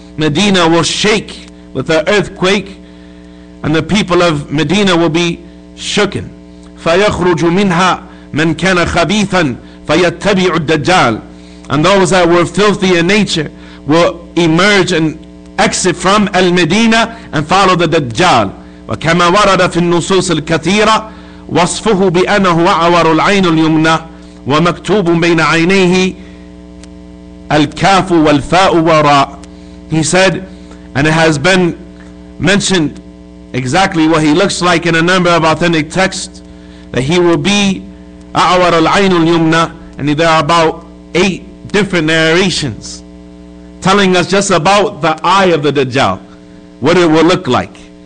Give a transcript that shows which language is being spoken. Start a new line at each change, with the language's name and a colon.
English: Medina will shake with an earthquake, and the people of Medina will be shooken.
Arabic: فَيَخْرُجُ مِنْهَا مَنْ كَانَ خَبِيثًا فَيَتَّبِعُ الدَّجَّالِ.
English: And those that were filthy in nature will emerge and exit from al-Medina and follow the Dajjal.
Arabic: وَكَمَا وَرَدَ فِي النُّصُوصِ الْكَثِيرَةِ وصفه بأنه أعور العين اليمنى ومكتوب بين عينيه الكاف والفاء وراء.
English: He said, and it has been mentioned exactly what he looks like in a number of authentic texts, that he will be
Arabic: أعور العين اليمنى.
English: And there are about 8 different narrations telling us just about the eye of the Dajjal, what it will look like.